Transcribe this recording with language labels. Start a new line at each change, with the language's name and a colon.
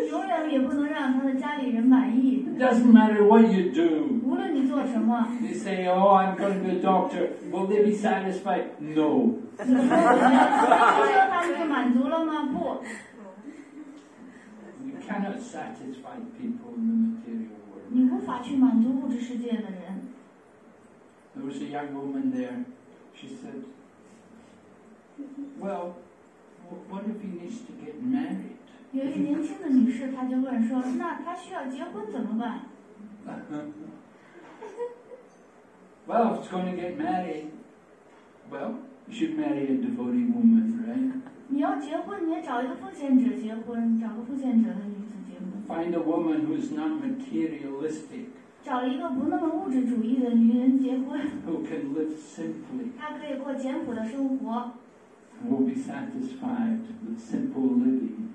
Chinese: 永远也不能让他的家里人满意。
English: Doesn't matter what you do.
Chinese: 无论你做什么。
English: They say, "Oh, I'm going to the doctor. Will they be satisfied?" No.
Chinese: 说他就满足了吗？不。
English: You cannot satisfy people in the material world.
Chinese: 你无法去满足物质世界的人。
English: There was a young woman there. She said, "Well." What if he needs to get married?
Chinese: 有一年轻的女士，她就问说：“那她需要结婚怎么办？”
English: Well, if he's going to get married, well, you should marry a devoted woman, right?
Chinese: 你要结婚，你也找一个奉献者结婚，找个奉献者的女子结婚。
English: Find a woman who is not materialistic.
Chinese: 找一个不那么物质主义的女人结婚。
English: Who can live simply?
Chinese: 她可以过简朴的生活。
English: Will be satisfied with simple living.